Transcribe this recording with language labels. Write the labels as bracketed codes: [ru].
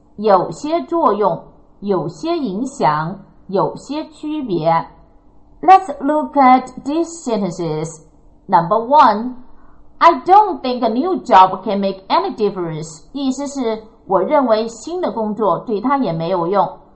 [zh] 有些作用,有些影响,有些区别. [en] Let's look at these sentences. Number 1. I don't think a new job can make any difference. [zh] 意思是我认为新的工作对他也没有用。